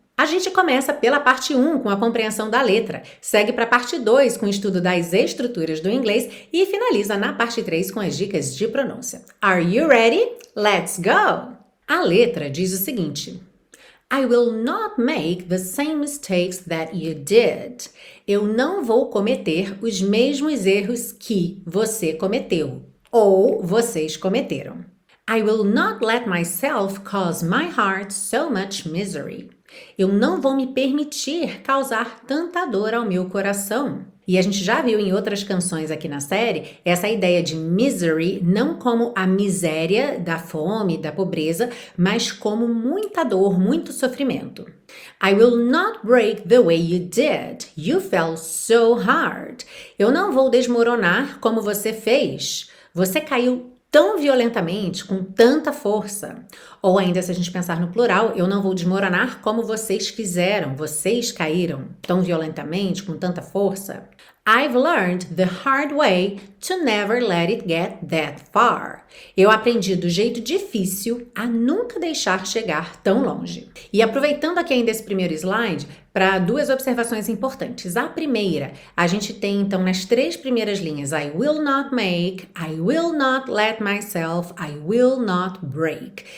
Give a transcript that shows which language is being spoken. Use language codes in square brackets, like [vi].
[pt] A gente começa pela parte 1, com a compreensão da letra, segue para a parte 2, com o estudo das estruturas do inglês e finaliza na parte 3 com as dicas de pronúncia. [en] Are you ready? Let's go! [pt] A letra diz o seguinte: [en] I will not make the same mistakes that you did. [pt] Eu não vou cometer os mesmos erros que você cometeu ou vocês cometeram. [en] I will not let myself cause my heart so much misery. [pt] Eu não vou me permitir causar tanta dor ao meu coração. E a gente já viu em outras canções aqui na série essa ideia de misery, não como a miséria da fome, da pobreza, mas como muita dor, muito sofrimento. [en] I will not break the way you did. You fell so hard. [pt] Eu não vou desmoronar como você fez. Você caiu tão violentamente, com tanta força. Ou ainda, se a gente pensar no plural, eu não vou desmoronar como vocês fizeram. Vocês caíram tão violentamente, com tanta força. [en] I've learned the hard way to never let it get that far. [pt] Eu aprendi do jeito difícil a nunca deixar chegar tão longe. E aproveitando aqui ainda esse primeiro slide, para duas observações importantes. A primeira, a gente tem então nas três primeiras linhas: [en] I will not make, I will not let myself, I will not break.